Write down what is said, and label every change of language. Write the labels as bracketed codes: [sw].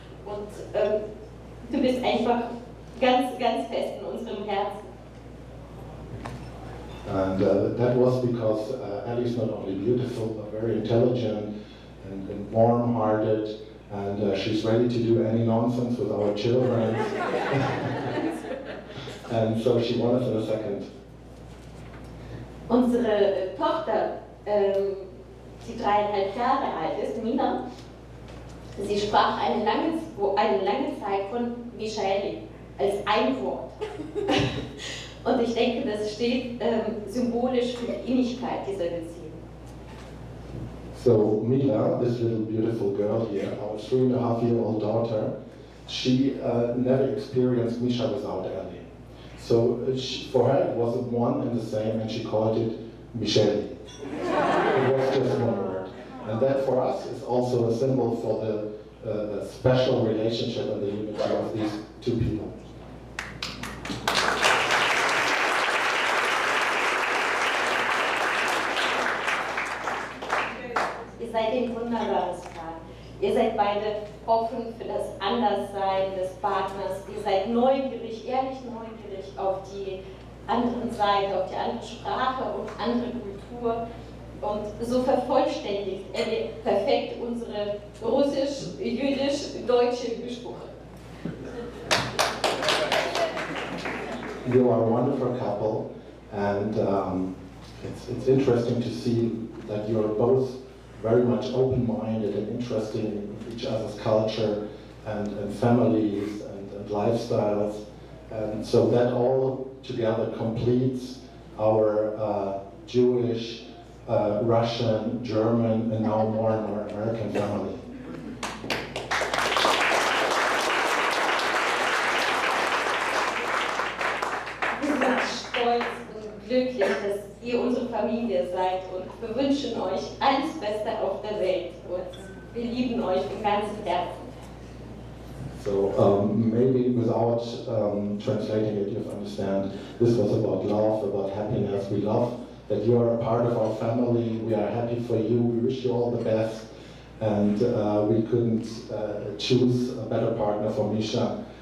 [de] Und du bist einfach ganz, ganz fest in unserem Herzen. [en] And that was because Ellie is not only beautiful, but very intelligent and warm-hearted. And she's ready to do any nonsense with our children. And so she won us in a second. [de] Unsere Tochter, die dreieinhalb Jahre alt ist, Mina, sie sprach eine lange Zeit von Michelle als ein Wort. Und ich denke, das steht symbolisch für die Innigkeit dieser Beziehung. [en] So, Mila, this little beautiful girl here, our 3.5-year-old daughter, she never experienced Misha without Ellie. So for her, it was one and the same, and she called it Michelle. It was just one word. And that, for us, is also a symbol for the special relationship and the unity of these two people. [de] Ihr seid ein wunderbares Paar. Ihr seid beide offen für das Anderssein des Partners. Ihr seid neugierig, ehrlich neugierig auf die andere Seite, auf die andere Sprache und andere Kultur. Und so vervollständigt er perfekt unsere russisch, jüdisch, deutsche Gespräche. [en] You are a wonderful couple, and it's interesting to see that you are both very much open-minded and interested in each other's culture and families and lifestyles. And so that all together completes our Jewish, Russian, German, and now more and more American family. [de] Wir sind stolz und glücklich, dass ihr unsere Familie seid, und wir wünschen euch alles Beste auf der Welt. Und wir lieben euch von ganzem Herzen. [en] So maybe without translating it, you understand, this was about love, about happiness. We love that you are a part of our family. We are happy for you. We wish you all the best. And we couldn't choose a better partner for Misha.